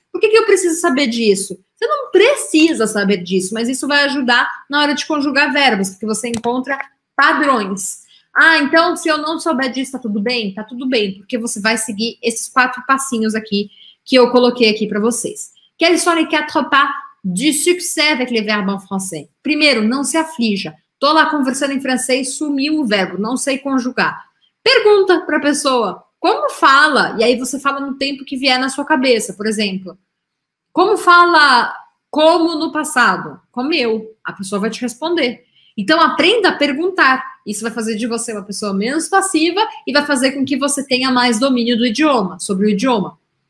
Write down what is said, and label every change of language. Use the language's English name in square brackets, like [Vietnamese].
[Portuguese] Por que eu preciso saber disso? Você não precisa saber disso, mas isso vai ajudar na hora de conjugar verbos, porque você encontra padrões. Ah, então se eu não souber disso, tá tudo bem? Tá tudo bem, porque você vai seguir esses 4 passinhos aqui que eu coloquei aqui para vocês. [French] Quels sont les 4 pas du succès avec les verbes en français? [Portuguese] Primeiro, não se aflija. Tô lá conversando em francês, sumiu o verbo, não sei conjugar. Pergunta pra pessoa, como fala? E aí você fala no tempo que vier na sua cabeça, por exemplo. Como fala como no passado? Comeu. A pessoa vai te responder. Então aprenda a perguntar. Isso vai fazer de você uma pessoa menos passiva e vai fazer com que você tenha mais domínio do idioma, sobre o idioma.